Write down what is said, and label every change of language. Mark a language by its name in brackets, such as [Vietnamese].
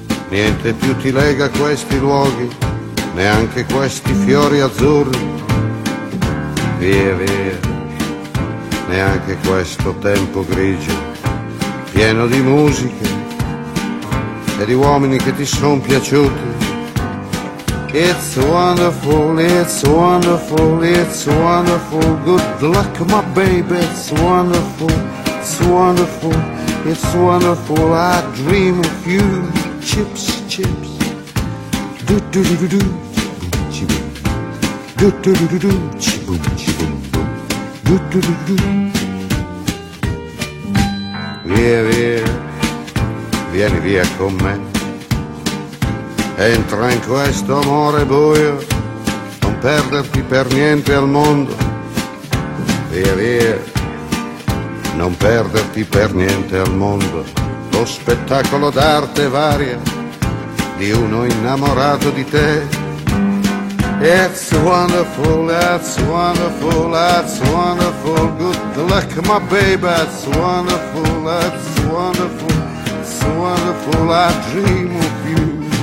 [Italian] Niente più ti lega questi luoghi, neanche questi fiori azzurri. Via, via, neanche questo tempo grigio pieno di musiche e di uomini che ti son piaciuti. [English] It's wonderful, it's wonderful, it's wonderful. Good luck, my baby, it's wonderful, it's wonderful, it's wonderful. I dream of you, chips, chips. Do do do do do, chibum chibum. Do do do do do, chibum chibum. Do do do do do. [Italian] Via, via, vieni via con me. entra in questo amore buio, non perderti per niente al mondo, via via, non perderti per niente al mondo. Lo spettacolo d'arte varia di uno innamorato di te. [English] It's wonderful, that's wonderful, that's wonderful. Good luck, my baby, it's wonderful, that's wonderful. It's wonderful, I dream of you.